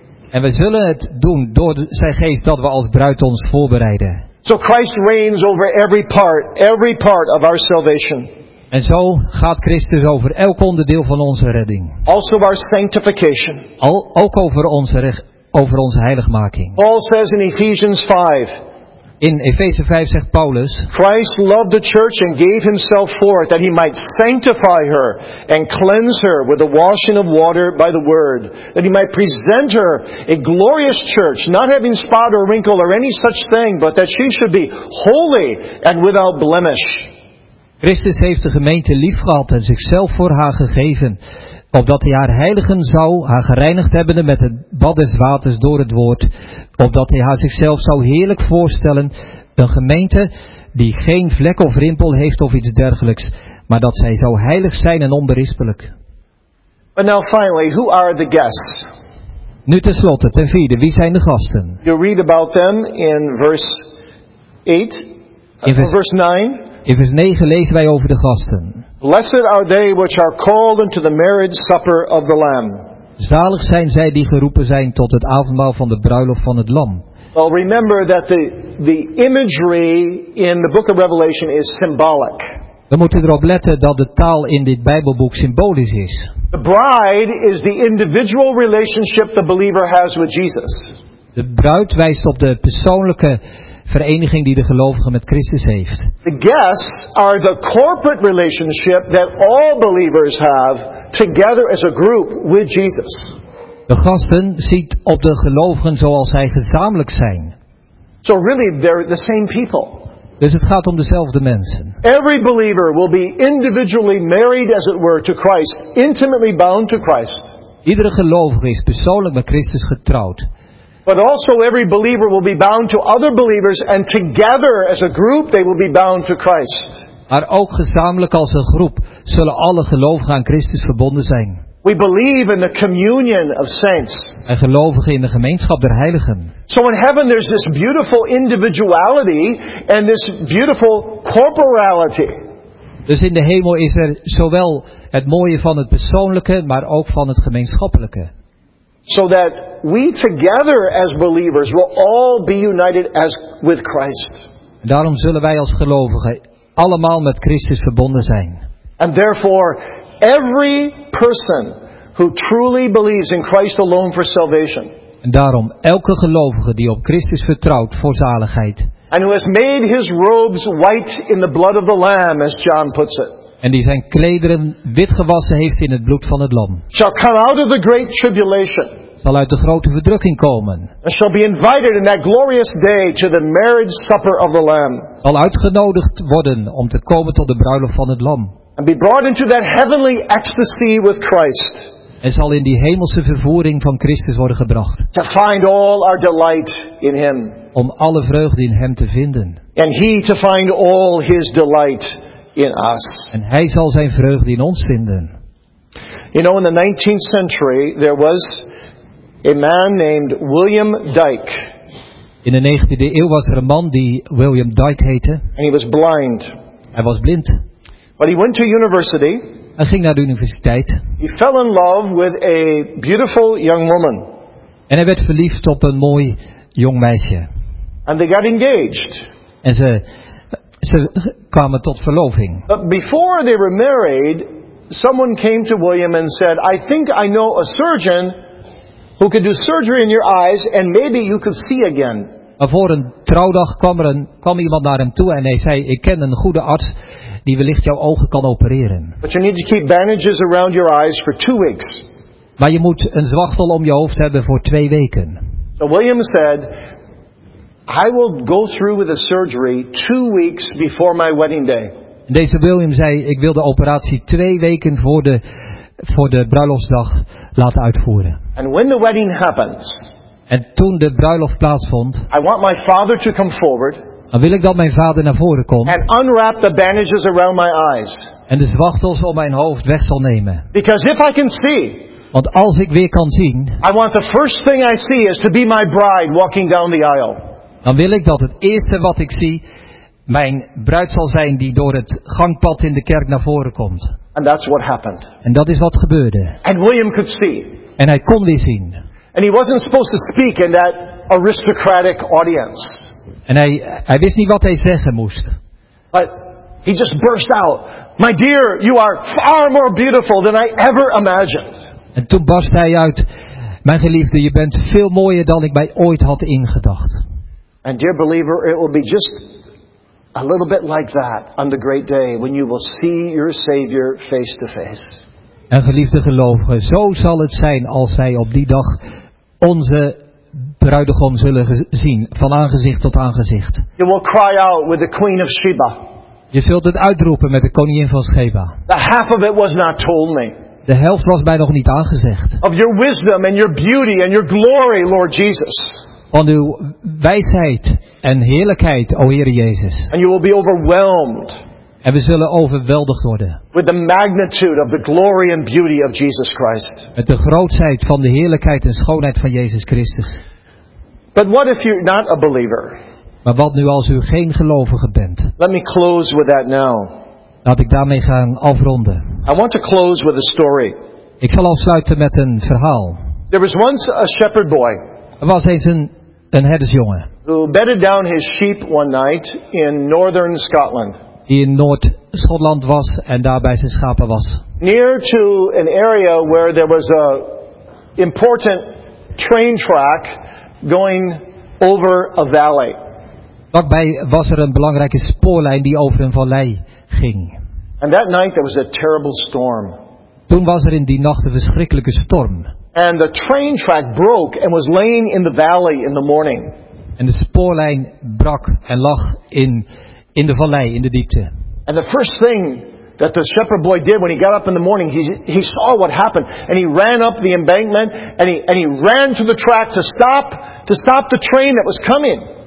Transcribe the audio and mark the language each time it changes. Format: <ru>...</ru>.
<nl>En we zullen het doen door zijn geest dat we als bruid ons voorbereiden.</nl> <en>So Christ reigns over every part of our salvation.</en> <nl>En zo gaat Christus over elk onderdeel van onze redding.</nl> <en>Also our sanctification.</en> <nl>Ook over onze heiligmaking.</nl> <en>Paul says in Ephesians 5.</en> <nl>In Efeze 5 zegt Paulus:</nl> <en>"Christ loved the church and gave himself for it, that he might sanctify her and cleanse her with the washing of water by the word, that he might present her a glorious church, not having spot or wrinkle or any such thing, but that she should be holy and without blemish."</en> <nl>Christus heeft de gemeente lief gehad en zichzelf voor haar gegeven, opdat hij haar heiligen zou, haar gereinigd hebbende met het bad des waters door het woord, opdat hij haar zichzelf zou heerlijk voorstellen, een gemeente die geen vlek of rimpel heeft of iets dergelijks, maar dat zij zou heilig zijn en onberispelijk.</nl> <en>But now finally, who are the guests?</en> <nl>Nu tenslotte, ten vierde, wie zijn de gasten?</nl> <en>You read about them in verse 8, verse 9.</en> <nl>In vers 9 lezen wij over de gasten.</nl> <en>"Blessed are they which are called unto the marriage supper of the Lamb."</en> <nl>Zalig zijn zij die geroepen zijn tot het avondmaal van de bruiloft van het Lam.</nl> <en>Well, remember that the imagery in the book of Revelation is symbolic.</en> <nl>We moeten erop letten dat de taal in dit Bijbelboek symbolisch is.</nl> <en>The bride is the individual relationship the believer has with Jesus.</en> <nl>De bruid wijst op de persoonlijke vereniging die de gelovige met Christus heeft.</nl> <en>The guests are the corporate relationship that all believers have together as a group with Jesus.</en> <nl>De gasten ziet op de gelovigen zoals zij gezamenlijk zijn.</nl> <en>So really they're the same people.</en> <nl>Dus het gaat om dezelfde mensen.</nl> <en>Every believer will be individually married as it were to Christ, intimately bound to Christ.</en> <nl>Iedere gelovige is persoonlijk met Christus getrouwd.</nl> <en>But also every believer will be bound to other believers and together as a group they will be bound to Christ.</en> <nl>Maar ook gezamenlijk als een groep zullen alle gelovigen aan Christus verbonden zijn.</nl> <en>We believe in the communion of saints.</en> <nl>En gelovigen in de gemeenschap der heiligen.</nl> <en>So in heaven there's this beautiful individuality and this beautiful corporality.</en> <nl>Dus in de hemel is er zowel het mooie van het persoonlijke maar ook van het gemeenschappelijke.</nl> <en>So that we together as believers will all be united as with Christ.</en> <nl>En daarom zullen wij als gelovigen allemaal met Christus verbonden zijn.</nl> <en>And therefore every person who truly believes in Christ alone for salvation.</en> <nl>En daarom elke gelovige die op Christus vertrouwt voor zaligheid.</nl> <en>And who has made his robes white in the blood of the Lamb, as John puts it.</en> <nl>En die zijn klederen wit gewassen heeft in het bloed van het Lam.</nl> <en>Shall come out of the great tribulation.</en> <nl>Zal uit de grote verdrukking komen.</nl> <en>And shall be invited in that glorious day to the marriage supper of the Lamb.</en> <nl>Zal uitgenodigd worden om te komen tot de bruiloft van het Lam.</nl> <en>And be brought into that heavenly ecstasy with Christ.</en> <nl>En zal in die hemelse vervoering van Christus worden gebracht.</nl> <en>To find all our delight in him.</en> <nl>Om alle vreugde in hem te vinden.</nl> <en>And he to find all his delight in us.</en> <nl>En hij zal zijn vreugde in ons vinden.</nl> <en>You know, in the 19th century there was a man named William Dyke.</en> <nl>In de 19e eeuw was er een man die William Dyke heette.</nl> <en>And he was blind.</en> <nl>Hij was blind.</nl> <en>But he went to university.</en> <nl>Hij ging naar de universiteit.</nl> <en>He fell in love with a beautiful young woman.</en> <nl>En hij werd verliefd op een mooi jong meisje.</nl> <en>And they got engaged.</en> <nl>En ze kwamen tot verloving.</nl> <en>But before they were married, someone came to William and said, "I think I know a surgeon who could do surgery in your eyes and maybe you could see again."</en> <nl>En voor een trouwdag kwam iemand naar hem toe en hij zei, "Ik ken een goede arts die wellicht jouw ogen kan opereren."</nl> <en>But you need to keep bandages around your eyes for 2 weeks.</en> <nl>Maar je moet een zwachtel om je hoofd hebben voor 2 weken.</nl> <en>So William said, "I will go through with the surgery 2 weeks before my wedding day."</en> <nl>Deze William zei, ik wil de operatie 2 weken voor de bruiloftsdag laten uitvoeren.</nl> <en>And when the wedding happens,</en> <nl>en toen de bruiloft plaatsvond,</nl> <en>I want my father to come forward.</en> <nl>Dan wil ik dat mijn vader naar voren komt.</nl> <en>And unwrap the bandages around my eyes.</en> <nl>En de zwachtels om mijn hoofd weg zal nemen.</nl> <en>Because if I can see,</en> <nl>want als ik weer kan zien,</nl> <en>I want the first thing I see is to be my bride walking down the aisle.</en> <nl>Dan wil ik dat het eerste wat ik zie mijn bruid zal zijn die door het gangpad in de kerk naar voren komt.</nl> <en>And that's what happened.</en> <nl>En dat is wat gebeurde.</nl> <en>And William could see.</en> <nl>En hij kon weer zien.</nl> <en>And he wasn't supposed to speak in that aristocratic audience.</en> <nl>En hij wist niet wat hij zeggen moest.</nl> <en>But he just burst out, "My dear, you are far more beautiful than I ever imagined."</en> <nl>En toen barst hij uit, "Mijn geliefde, je bent veel mooier dan ik mij ooit had ingedacht."</nl> <en>And dear believer, it will be just a little bit like that on the great day when you will see your Savior face to face.</en> <nl>En geliefde gelovigen, zo zal het zijn als wij op die dag onze bruidegom zullen zien, van aangezicht tot aangezicht.</nl> <en>You will cry out with the Queen of Sheba.</en> <nl>Je zult het uitroepen met de koningin van Sheba.</nl> <en>The half of it was not told me.</en> <nl>De helft was mij nog niet aangezegd.</nl> <en>Of your wisdom and your beauty and your glory, Lord Jesus.</en> <nl>Van uw wijsheid en heerlijkheid, o Heere Jezus.</nl> <en>And you will be overwhelmed.</en> <nl>En we zullen overweldigd worden.</nl> <en>With the magnitude of the glory and beauty of Jesus Christ.</en> <nl>Met de grootheid van de heerlijkheid en schoonheid van Jezus Christus.</nl> <en>But what if you're not a believer?</en> <nl>Maar wat nu als u geen gelovige bent?</nl> <en>Let me close with that now.</en> <nl>Laat ik daarmee gaan afronden.</nl> <en>I want to close with a story.</en> <nl>Ik zal afsluiten met een verhaal.</nl> <en>There was once a shepherd boy.</en> <nl>Er was eens een herdersjongen.</nl> <en>Who bedded down his sheep one night in northern Scotland.</en> <nl>Die in Noord-Schotland was en daar bij zijn schapen was.</nl> <en>Near to an area where there was a important train track going over a valley.</en> <nl>Daarbij was er een belangrijke spoorlijn die over een vallei ging.</nl> <en>And that night there was a terrible storm.</en> <nl>Toen was er in die nacht een verschrikkelijke storm.</nl> <en>And the train track broke and was laying in the valley in the morning.</en> <nl>En de spoorlijn brak en lag in de vallei, in de diepte.</nl> <en>And the first thing that the shepherd boy did when he got up in the morning, he saw what happened and he ran up the embankment and he ran to the track to stop the train that was coming.</en>